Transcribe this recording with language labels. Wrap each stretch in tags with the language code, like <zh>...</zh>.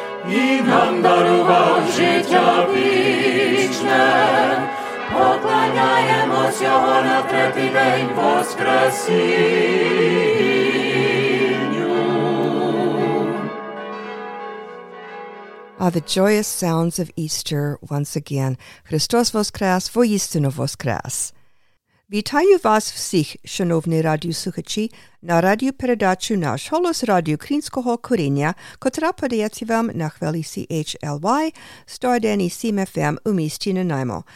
<uk>І нам дарував життя вічне, поклоняємось його на третій день воскресінню.</uk> <en>Are the joyous sounds of Easter once again.</en> <uk>Христос воскрес, воістину воскрес. Вітаю вас всіх, шановні радіослухачі, на радіопередачу «Наш Голос» радіо Українського коріння, котра подається вам на хвилі CHLY 101.7 FM у місті Нанаймо.</uk>